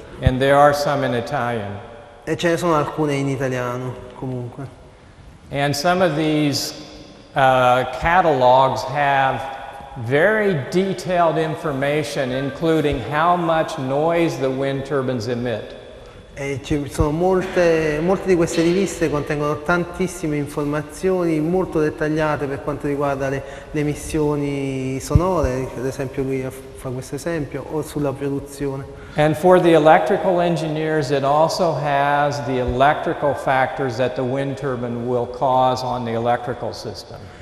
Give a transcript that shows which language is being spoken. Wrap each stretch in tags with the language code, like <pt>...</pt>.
<en>And there are some in Italian.</en> <it>E ce ne sono alcune in italiano, comunque.</it> <en>And some of these catalogs have very detailed information, including how much noise the wind turbines emit.</en> <it>E ci sono molte di queste riviste contengono tantissime informazioni molto dettagliate per quanto riguarda le emissioni sonore, ad esempio lui fa questo esempio, o sulla produzione.</it> <en>And for the electrical engineers it also has the electrical factors that the wind turbine will cause on the electrical system.</en>